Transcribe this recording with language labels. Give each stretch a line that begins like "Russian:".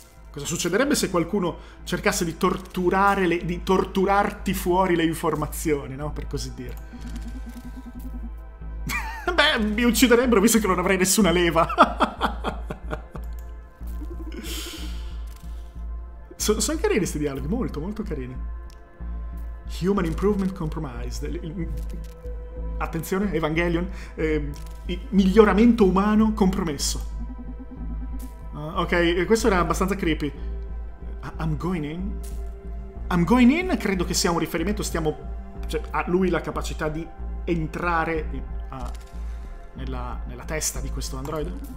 Italian: Cosa succederebbe se qualcuno cercasse di torturarti fuori le informazioni, no? Per così dire. Beh, mi ucciderebbero visto che non avrei nessuna leva. Sono carini questi dialoghi, molto, molto carini.
English: Human Improvement Compromised.
Italian: Attenzione, Evangelion. Miglioramento umano compromesso. Ok, questo era abbastanza creepy.
English: I'm going in? I'm going in
Italian: credo che sia un riferimento, cioè, ha lui la capacità di entrare nella testa di questo androide?